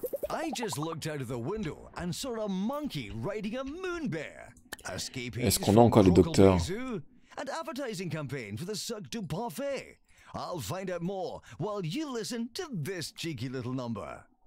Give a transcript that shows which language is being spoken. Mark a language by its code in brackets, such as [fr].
[en] I just looked out of the window and saw a monkey riding a moon bear. [fr] Est-ce qu'on a encore les docteurs? [en] An advertising campaign for the Suc du Parfait. I'll find out more while you listen to this cheeky little number.